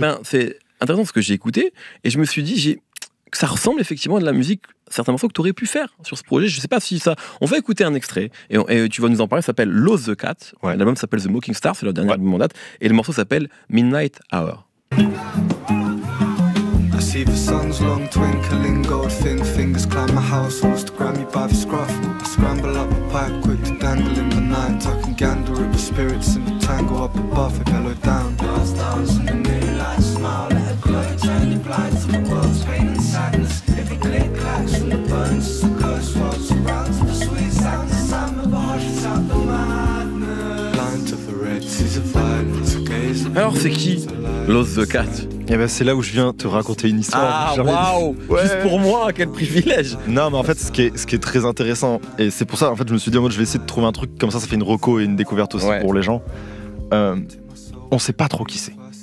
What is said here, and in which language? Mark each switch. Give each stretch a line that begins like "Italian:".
French: Ben, c'est intéressant ce que j'ai écouté, et je me suis dit, que ça ressemble effectivement à de la musique, certains morceaux que tu aurais pu faire sur ce projet. Je sais pas si ça. On va écouter un extrait, et tu vas nous en parler, ça s'appelle Lost the Cat. Ouais. L'album s'appelle The Mocking Star, c'est le dernier album en date, et le morceau s'appelle Midnight Hour.
English: See the sun's long twinkling gold thing, fingers climb my house, wants to grab me by the scruff. I scramble up a pipe, quick to dangle in the night, tucking gander at the spirits in the tangle up above, it bellow down. Dance, dance in the moonlight, smile, let her glow, turn your blinds to the world's pain and sadness. Every click clacks from the bones, the ghost swirls around to the sweet sound, the sound of a hush out the madness. Blind to the red, sees a violent gaze.
French: Alors c'est qui Lost the Cat? Et ben c'est là où je viens te raconter une histoire. Ah waouh, ouais. Juste pour moi, quel privilège. Non mais en fait ce qui est très intéressant, et c'est pour ça en fait je me suis dit en mode je vais essayer de trouver un truc comme ça fait une reco et une découverte aussi pour les gens. On sait pas trop qui c'est.